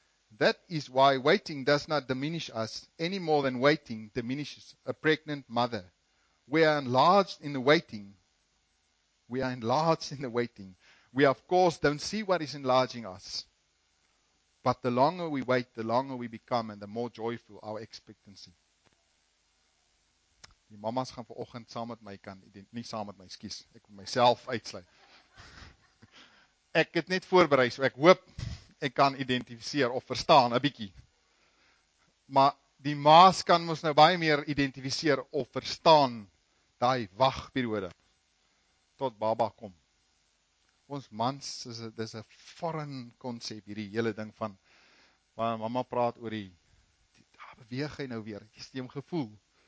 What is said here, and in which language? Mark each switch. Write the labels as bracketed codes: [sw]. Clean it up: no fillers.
[en] That is why waiting does not diminish us any more than waiting diminishes a pregnant mother. We are enlarged in the waiting. We are enlarged in the waiting. We, of course, don't see what is enlarging us. But the longer we wait, the longer we become and the more joyful our expectancy. [af] Die mamas gaan vanoggend saam met my kan, nie saam met my, excuse, ek wil myself uitsluit. Ek het net voorberei, so ek hoop ek kan identificeer of verstaan, 'n bietjie. Maar die maas kan ons nou baie meer identificeer of verstaan die wagperiode tot baba kom. Ons mans, dis 'n foreign konsep, hierdie hele ding van, waar mama praat oor die daar beweeg hy nou weer, die stemgevoel.